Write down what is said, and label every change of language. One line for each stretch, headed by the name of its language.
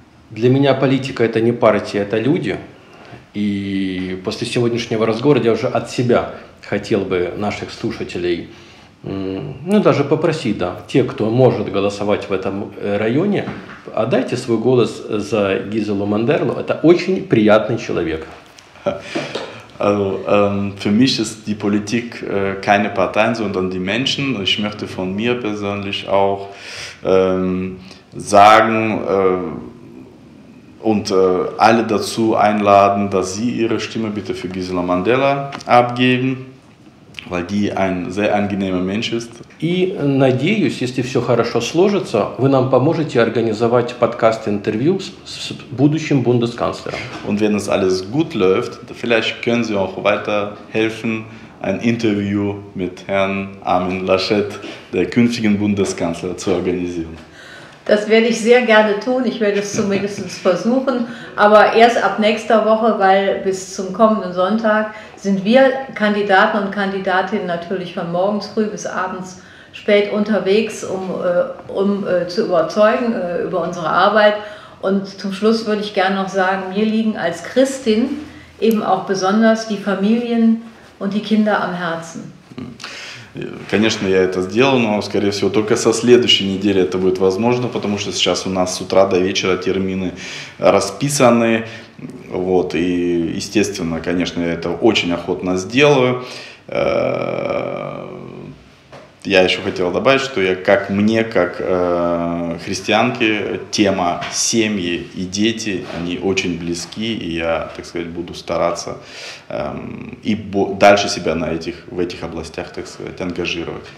Russian: Для меня политика – это не партия, это люди. И после сегодняшнего разговора я уже от себя хотел бы наших слушателей, ну даже попросить, да, те, кто может голосовать в этом районе, отдайте свой голос за Гизелу Мандерлу. Это очень приятный человек.
German: Also für mich ist die Politik keine Parteien, sondern die Menschen. Ich möchte von mir persönlich auch sagen und alle dazu einladen, dass sie ihre Stimme bitte für Gisela Mandela abgeben, weil die ein sehr angenehmer Mensch ist.
Russian: И надеюсь, если все хорошо сложится, вы нам поможете организовать подкаст-интервью с будущим бундесканцлером.
German: Und wenn es alles gut läuft, vielleicht können Sie auch weiterhelfen, ein Interview mit Herrn Armin Laschet, der künftigen Bundeskanzler, zu organisieren. Das werde ich sehr gerne tun, ich werde es zumindest versuchen, aber erst ab nächster Woche, weil bis zum kommenden Sonntag sind wir Kandidaten und Kandidatinnen natürlich von morgens früh bis abends spät unterwegs, um zu überzeugen über unsere Arbeit. Und zum Schluss würde ich gerne noch sagen, mir liegen als Christin eben auch besonders die Familien und die Kinder am Herzen.
Russian: Конечно, я это сделал, но, скорее всего, только со следующей недели это будет возможно, потому что сейчас у нас с утра до вечера термины расписаны. Вот, и, естественно, конечно, я это очень охотно сделаю. Я еще хотел добавить, что я, как мне, как христианке, тема семьи и дети, они очень близки, и я, так сказать, буду стараться дальше себя в этих областях, так сказать, ангажировать.